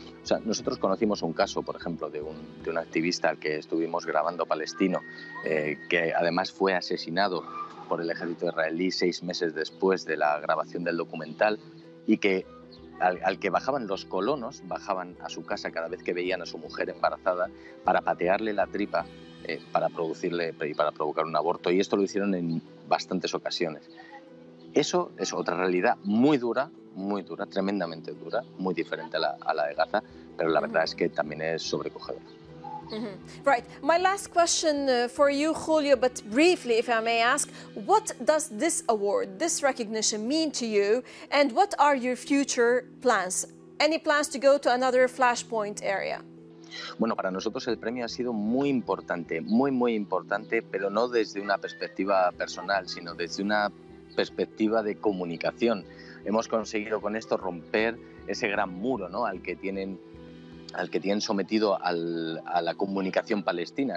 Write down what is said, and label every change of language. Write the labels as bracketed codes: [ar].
[es] O sea, nosotros conocimos un caso, por ejemplo, de un activista al que estuvimos grabando palestino, que además fue asesinado por el ejército israelí 6 meses después de la grabación del documental, y que al que bajaban los colonos, bajaban a su casa cada vez que veían a su mujer embarazada para patearle la tripa, para producirle y para provocar un aborto, y esto lo hicieron en bastantes ocasiones. Eso es otra realidad muy dura, tremendamente dura, muy diferente a la de Gaza, pero la verdad es que también es sobrecogedora. [en] Mm-hmm. Right. My last question for you, Julio, but briefly, if I may ask, what does this award, this recognition mean to you, and what are your future plans? Any plans to go to another flashpoint area? [es] Bueno, para nosotros el premio ha sido muy importante, muy, muy importante, pero no desde una perspectiva personal, sino desde una perspectiva de comunicación. Hemos conseguido con esto romper ese gran muro, ¿no?, al que tienen sometido a la comunicación palestina.